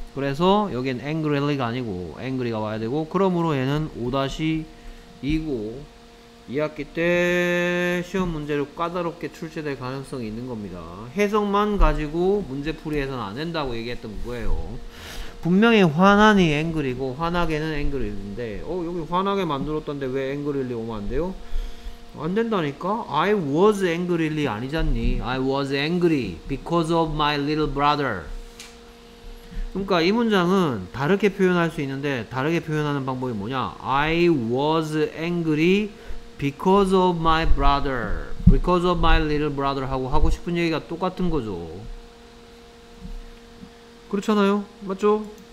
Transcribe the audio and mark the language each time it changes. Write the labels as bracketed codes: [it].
[ko] 그래서 여긴 angrily가 아니고 angry가 와야 되고 그러므로 얘는 5-2고 이 학기 때 시험 문제로 까다롭게 출제될 가능성이 있는 겁니다. 해석만 가지고 문제 풀이해서는 안 된다고 얘기했던 거예요. 분명히 화나니 앵글이고 화나게는 앵글인데 여기 화나게 만들었던데 왜 앵글일리 오면 안 돼요? 안 된다니까? [en] I was angry [ko] 아니잖니? [en] I was angry because of my little brother. [ko] 그러니까 이 문장은 다르게 표현할 수 있는데 다르게 표현하는 방법이 뭐냐? [en] I was angry because of my brother. Because of my little brother 하고 싶은 얘기가 똑같은 거죠. [ko] 그렇잖아요? 맞죠?